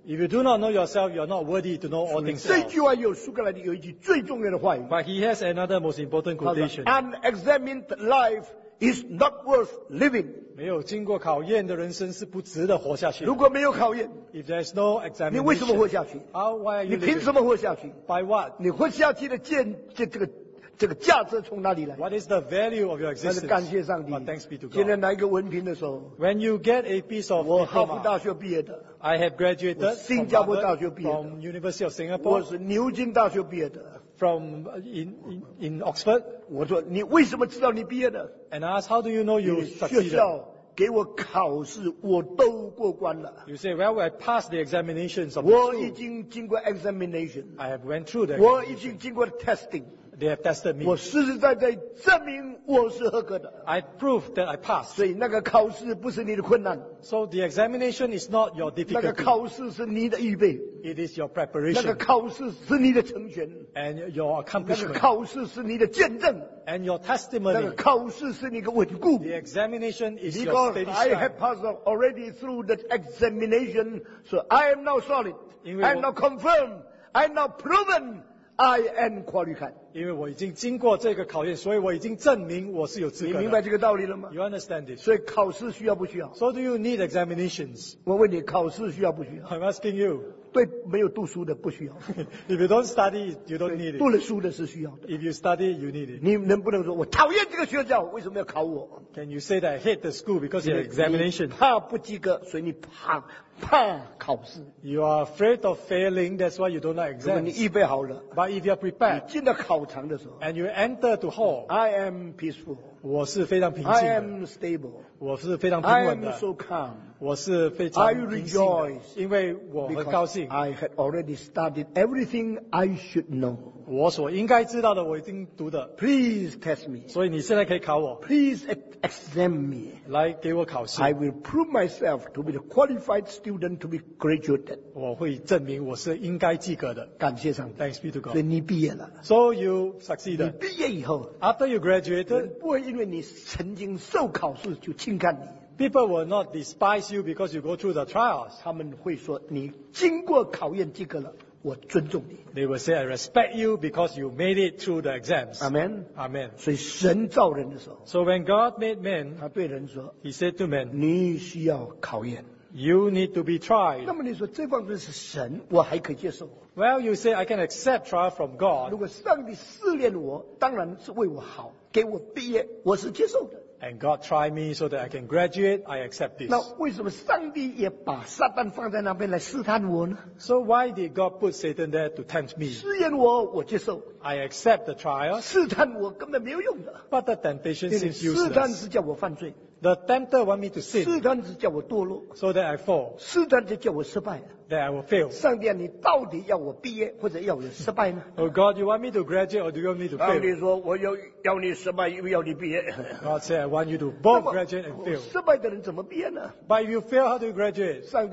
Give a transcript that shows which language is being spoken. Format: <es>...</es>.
<en>If you do not know yourself, you are not worthy to know all things.</en> <zh>这句话有苏格兰有一句最重要的话语。</zh> <en>But he has another most important quotation. Unexamined life is not worth living.</en> <zh>没有经过考验的人生是不值得活下去。如果没有考验,</zh> <en>if there is no examination,</en> <zh>你为什么活下去?</zh> <en>How, why are you living?</en> <zh>你凭什么活下去?</zh> <en>By what?</en> <zh>你活下去的见这个 这个价值从哪里来?</zh> <en>What is the value of your existence?</en> <zh>感谢上帝,</zh> <en>but thanks be to God.</en> <zh>今天拿一个文凭的时候,</zh> <en>when you get a piece of diploma,</en> <zh>我哈佛大学毕业的,</zh> <en>I have graduated</en> <zh>我新加坡大学毕业的,</zh> <en>from University of Singapore,</en> <zh>我是牛津大学毕业的,</zh> <en>from in Oxford.</en> <zh>我说你为什么知道你毕业的?</zh> <en>And I asked, how do you know you succeeded?</en> <zh>给我考试, 我都过关了。</zh> <en>You say, well, I passed the examinations of</en> <zh>我已经经过 examination,</zh> <en>I have went through that.</en> <zh>我已经经过 testing,</zh> <en>they have tested me.</en> <zh>我实实在在证明我是合格的。</zh> <en>I proved that I passed.</en> <zh>所以那个考试不是你的困难。</zh> <en>So the examination is not your difficulty.</en> <zh>那个考试是你的预备。</zh> <en>It is your preparation.</en> <zh>那个考试是你的成全。</zh> <en>And your accomplishment.</en> <zh>那个考试是你的见证。</zh> <en>And your testimony.</en> <zh>那个考试是你的稳固。</zh> <en>The examination is because your steady strength. I have passed already through that examination, so I am now solid. I am now confirmed. I am now proven. I am qualified.</en> <zh>因为我已经经过这个考验，所以我已经证明我是有资格的。你明白这个道理了吗？</zh> <en>You understand this?</en> <zh>所以考试需要不需要？</zh> <en>So do you need examinations?</en> <zh>我问你，考试需要不需要？</zh> <en>I'm asking you.</en> <zh>对没有读书的不需要。</zh> <en>If you don't study, you don't need it.</en> <zh>读了书的是需要的。</zh> <en>If you study, you need it.</en> <zh>你能不能说，我讨厌这个学校，为什么要考我？</zh> <en>Can you say that I hate the school because of the examination?</en> <zh>怕不及格，所以你怕考试。</zh> <en>You are afraid of failing, that's why you don't like exams.</en> <zh>你预备好了。</zh> <en>But if you are prepared,</en> <zh>你进了考场的时候,</zh> <en>and you enter the hall, I am peaceful.</en> <zh>我是非常平静的。</zh> <en>I am stable.</en> <zh>我是非常平稳的。</zh> <en>I am so calm.</en> <zh>我是非常平静的。</zh> <en>I rejoice.</en> <zh>因为我很高兴。</zh> <en>I had already studied everything I should know.</en> <zh>我所应该知道的我已经读的。</zh> <en>Please test me.</en> <zh>所以你现在可以考我。</zh> <en>Please examine me.</en> <zh>来给我考试。</zh> <en>I will prove myself to be the qualified student to be graduated.</en> <zh>我会证明我是应该及格的。感谢上帝。</zh> <en>Thanks be to God.</en> <zh>所以你毕业了。</zh> <en>So you succeeded.</en> <zh>你毕业以后,</zh> <en>after you graduated,</en> <zh>不会因为你曾经受考试就轻看你。</zh> <en>People will not despise you because you go through the trials.</en> <zh>他们会说你经过考验及格了，我尊重你。</zh> <en>They will say, I respect you because you made it through the exams. Amen. Amen.</en> <zh>所以神造人的时候,</zh> <en>so when God made man,</en> <zh>他对人说,</zh> <en>he said to man,</en> <zh>你需要考验。</zh> <en>You need to be tried.</en> <zh>那么你说这方面是神, 我还可以接受。</zh> <en>Well, you say, I can accept trial from God.</en> <zh>如果上帝试炼我, 当然是为我好, 给我毕业, 我是接受的。</zh> <en>And God tried me so that I can graduate, I accept this.</en> <zh>那为什么上帝也把撒旦放在那边来试探我呢?</zh> <en>So why did God put Satan there to tempt me?</en> <zh>试验我，我接受。</zh> <en>I accept the trial.</en> <zh>试探我根本没有用的。</zh> <en>But the temptation seems useless.</en> <zh>试探是叫我犯罪。</zh> <en>The tempter want me to sin.</en> <zh>试探是叫我堕落。</zh> <en>So that I fall.</en> <zh>试探就叫我失败。</zh> <en>That I will fail.</en> <zh>上帝啊，你到底要我毕业或者要我失败吗？</zh> <en>Oh God, you want me to graduate or do you want me to fail?</en> <zh>上帝说，我要你失败，又要你毕业。</zh> <en>God said, I want you to both graduate and fail.</en> <zh>失败的人怎么毕业呢？</zh> <en>But if you fail, how do you graduate?</en>